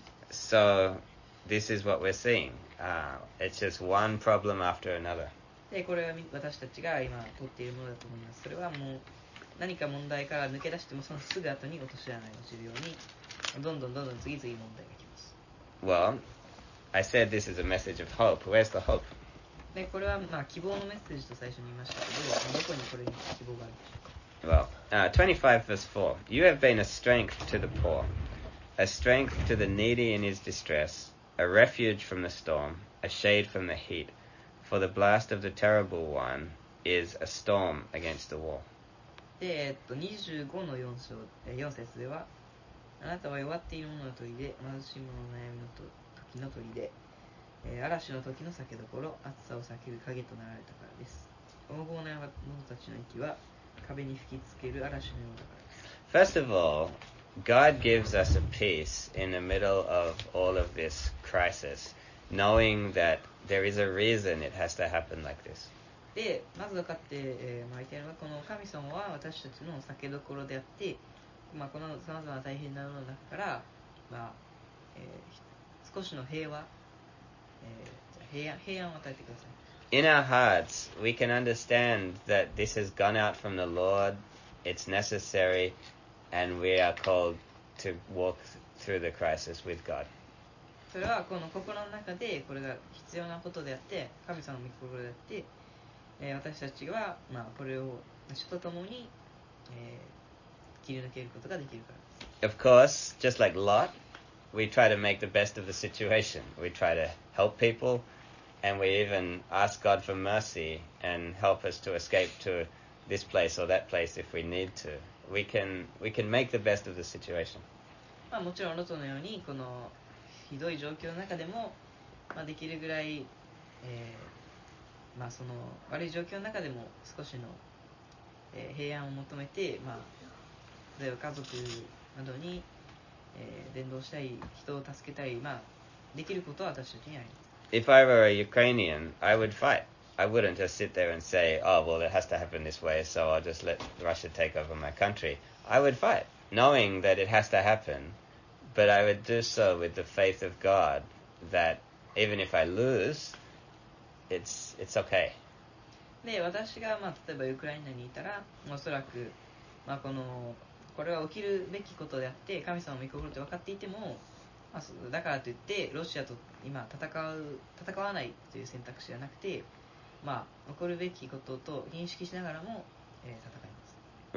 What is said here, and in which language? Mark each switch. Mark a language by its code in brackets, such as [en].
[en] So, this is what we're seeing. It's just one problem after another. [ja] で、これは私たちが今取っているものだと思います。それはもう何か問題から抜け出しても、そのすぐ後に落とし穴に落ちるように、どんどんどんどん次々問題がきます。 [en] Well, I said this is a message of hope. Where's the hope? [ja] で、これはまあ希望のメッセージと最初に言いましたけど、どこにこれに希望があるんでしょうか。 [en] Well, 25 verse 4. You have been a strength to the poor, a strength to the needy in his distress. A refuge from the storm, a shade from the heat, for the blast of the terrible one is a storm against the wall. [ja] で、25の4章、4節では、あなたは弱っている者の砦、貧しい者の悩みの時の砦、嵐の時の避けどころ、暑さを避ける影となられたからです。横暴な者たちの息は壁に吹きつける嵐のようだからです。 [en] First of all,God gives us a peace in the middle of all of this crisis, knowing that there is a reason it has to happen like this. [ja] で、まず分かって、参りたいのは、この神様は私たちの避けどころであって、まあ、このさまざまな大変なものの中から、まあ、少しの平和、平安を与えてください。 [en] In our hearts, we can understand that this has gone out from the Lord, it's necessary. And we are called to walk through the crisis with God. [ja] それはこの心の中でこれが必要なことであって、神様の御心であって、私たちはまあこれを主と共に、切り抜けることができるからです。 [en] Of course, just like Lot, we try to make the best of the situation. We try to help people, and we even ask God for mercy and help us to escape to this place or that place if we need to. We can make the best of the situation. [ja] まあもちろんロトのようにこのひどい状況の中でも、まあ、できるぐらい、まあ、その悪い状況の中でも少しの、平安を求めて、まあ、例えば家族などに、伝道したい人を助けたい、まあ、できることは私たちにあります。 [en] If I were a Ukrainian, I would fight. I wouldn't just sit there and say, oh, well, it has to happen this way, so I'll just let Russia take over my country. I would fight, knowing that it has to happen, but I would do so with the faith of God that even if I lose, it's okay. [ja] で、私が、まあ、例えばウクライナにいたら、おそらく、まあ、このこれは起きるべきことであって、神様の御心って分かっていても、まあ、だからといって、ロシアと今戦わないという選択肢ではなくて、まあ、起こるべきことと認識しながらも、戦います。